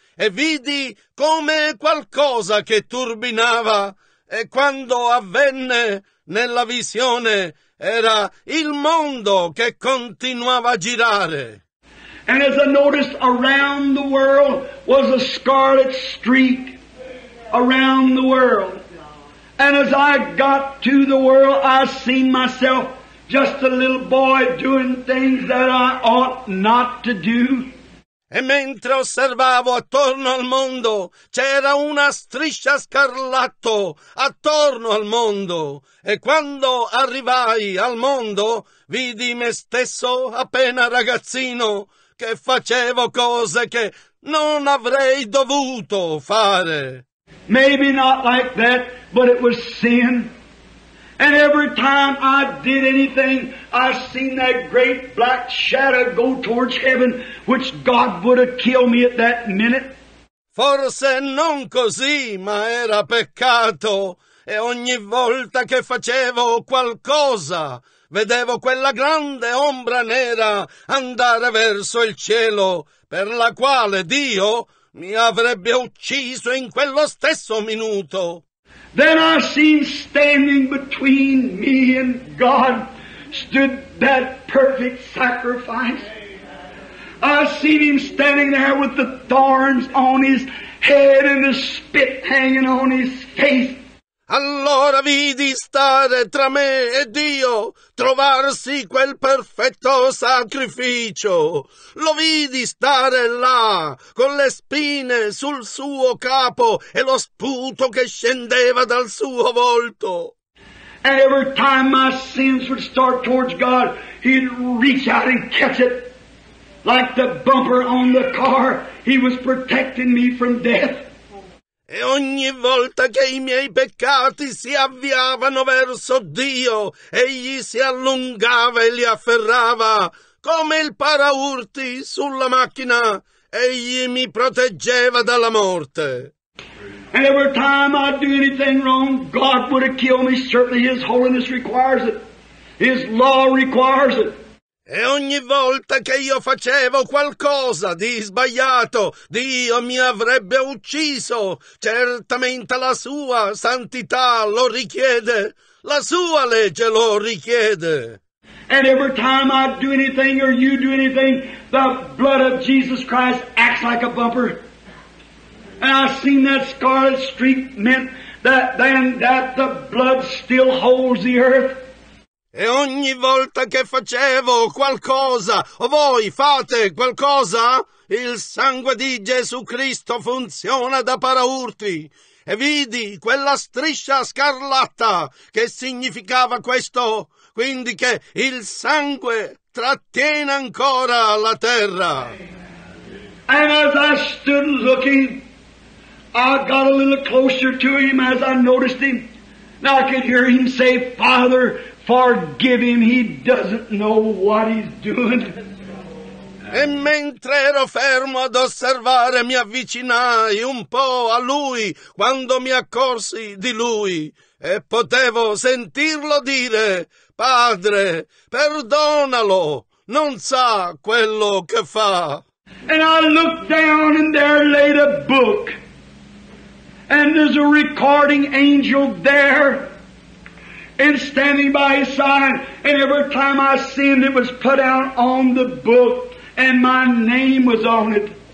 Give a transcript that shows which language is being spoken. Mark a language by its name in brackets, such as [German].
[Italian] E vidi come qualcosa che turbinava. E quando avvenne, nella visione era il mondo che continuava a girare. [English] And as I noticed, around the world was a scarlet streak around the world. And as I got to the world, I seen myself just a little boy doing things that I ought not to do. [Italian] E mentre osservavo attorno al mondo, c'era una striscia scarlatto attorno al mondo. E quando arrivai al mondo, vidi me stesso appena ragazzino che facevo cose che non avrei dovuto fare. [English] Maybe not like that, but it was sin. And every time I did anything, I seen that great black shadow go towards heaven, which God would have killed me at that minute. [Italian] Forse non così, ma era peccato. E ogni volta che facevo qualcosa, vedevo quella grande ombra nera andare verso il cielo, per la quale Dio mi avrebbe ucciso in quello stesso minuto. [English] Then I seen standing between me and God stood that perfect sacrifice. I seen him standing there with the thorns on his head and the spit hanging on his face. [Italian] Allora vidi stare tra me e Dio, trovarsi quel perfetto sacrificio. Lo vidi stare là, con le spine sul suo capo e lo sputo che scendeva dal suo volto. [English] And every time my sins would start towards God, he'd reach out and catch it. Like the bumper on the car, he was protecting me from death. [Italian] E ogni volta che i miei peccati si avviavano verso Dio, egli si allungava e li afferrava come il paraurti sulla macchina, egli mi proteggeva dalla morte. [English] And every time I do anything wrong, God would have killed me. Certainly His holiness requires it. His law requires it. [Italian] E ogni volta che io facevo qualcosa di sbagliato, Dio mi avrebbe ucciso. Certamente la sua santità lo richiede, la sua legge lo richiede. [English] And every time I do anything or you do anything, the blood of Jesus Christ acts like a bumper. And I've seen that scarlet streak meant that then that the blood still holds the earth. [Italian] E ogni volta che facevo qualcosa, o voi fate qualcosa, il sangue di Gesù Cristo funziona da paraurti. E vidi quella striscia scarlatta che significava questo, quindi che il sangue trattiene ancora la terra. [English] And as I stood looking, I got a little closer to him as I noticed him. Now I could hear him say, Father, forgive him, he doesn't know what he's doing. [Italian] E mentre ero fermo ad osservare, mi avvicinai un po' a lui quando mi accorsi di lui e potevo sentirlo dire, Padre, perdonalo, non sa quello che fa. [English] And I looked down and there lay the book. And there's a recording angel there. and standing by his side. And every time I sinned, it was put out on the book, and my name was on it.